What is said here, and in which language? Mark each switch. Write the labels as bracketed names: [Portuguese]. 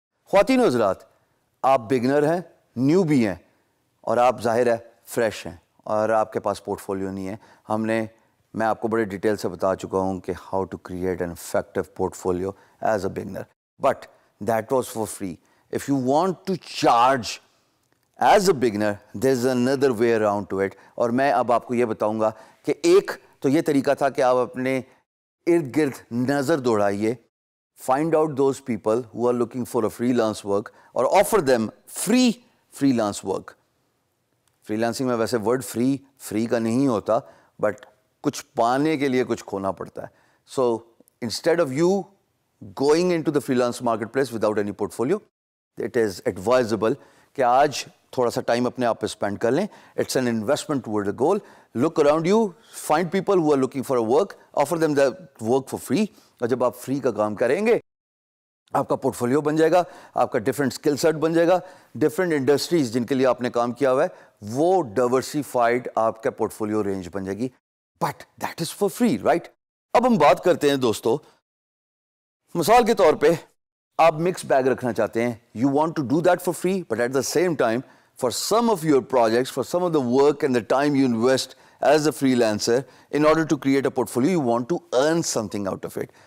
[Urdu] خواتین و حضرات، آپ بگنر ہیں، نیو بھی ہیں اور آپ ظاہر ہے فریش ہیں اور آپ کے پاس پورٹ فولیو نہیں ہے. ہم نے میں آپ کو بڑے ڈیٹیل سے بتا چکا ہوں کہ [English] How to create an effective portfolio as a beginner, but that was for free. If you want to charge as a beginner, there is another way around to it. [Urdu] اور میں اب آپ کو یہ بتاؤں گا کہ ایک تو یہ طریقہ تھا کہ آپ اپنے ارد گرد نظر دوڑائیے، [English] find out those people who are looking for a freelance work [Urdu] اور [English] Offer them free freelance work. [Urdu] Free lancing میں ویسے ورڈ فری فری کا نہیں ہوتا، بٹ کچھ پانے کے لیے کچھ کھونا پڑتا ہے. [English] so instead of you going into the freelance marketplace without any portfolio, it is advisable [Urdu] کہ آج تھوڑا سا ٹائم اپنے آپ پہ اسپینڈ کر لیں. [English] It's an investment toward the goal. Look around you, find people who are looking for a work, offer them the work for free. [Urdu] اور جب آپ فری کا کام کریں گے، آپ کا پورٹ فولیو بن جائے گا، آپ کا ڈفرینٹ اسکل سیٹ بن جائے گا، ڈفرینٹ انڈسٹریز جن کے لیے آپ نے کام کیا ہوا ہے وہ ڈائیورسیفائڈ آپ کا پورٹ فولیو رینج بن جائے گی. [English] But that is for free, right? [Urdu] اب ہم بات کرتے ہیں دوستو، مثال کے طور پہ آپ مکس بیگ رکھنا چاہتے ہیں، [English] You want to do that for free, but at the same time for some of your projects, for some of the work and the time you invest as a free lancer in order to create a port folio, you want to earn some thing out of it.